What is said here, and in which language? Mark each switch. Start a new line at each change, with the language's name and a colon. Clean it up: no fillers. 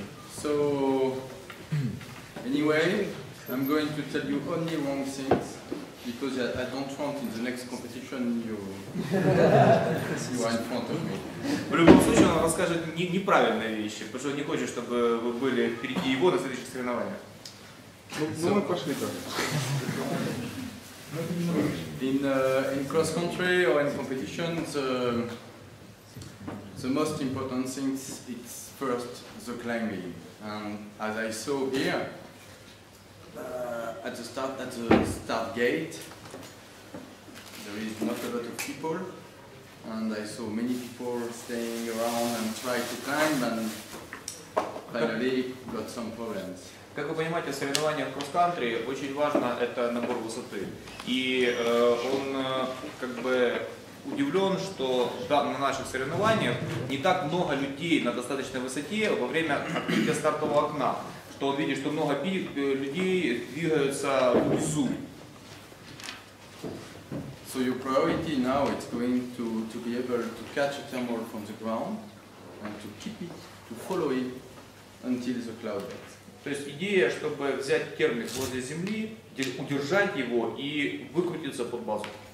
English: So, anyway, I'm going to tell you only wrong things, because I don't want in the next competition you are in front of me.
Russian: В любом случае, он расскажет неправильные вещи, потому что он не хочет, чтобы вы были впереди его на следующих соревнованиях. Ну, мы пошли тоже.
English: In cross country or in competition, the most important thing is first the climbing. And as I saw here at the start gate, there is not a lot of people, and I saw many people staying around and try to climb, and finally got some problems.
Russian: Как вы понимаете, соревнования в кросс-кантри очень важно это набор высоты. И он как бы удивлен, что на наших соревнованиях не так много людей на достаточной высоте во время открытия стартового окна, что он видит, что много людей двигаются внизу.
English: So your priority now is going to be able to catch a thermal from the ground and to keep it, to follow it until the cloud breaks.
Russian: То есть идея, чтобы взять термик возле земли, удержать его и выкрутиться под базу.